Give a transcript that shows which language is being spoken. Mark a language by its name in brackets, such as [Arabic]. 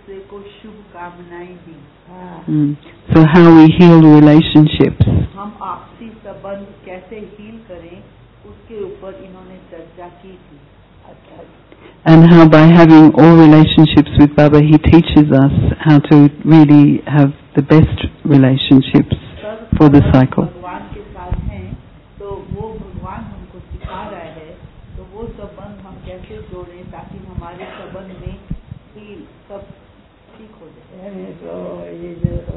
[English] So how we heal relationships. [Hindi] हम आपसी संबंध कैसे हील करें उसके ऊपर इन्होंने चर्चा की थी. [English] And how by having all relationships with Baba he teaches us how to really have the best relationships for the cycle. [Hindi] भगवान के साथ हैं तो वो भगवान हमको सिखा रहा है तो वो संबंध हम कैसे जोड़ें ताकि हमारे संबंध में हील सब ठीक हो जाए.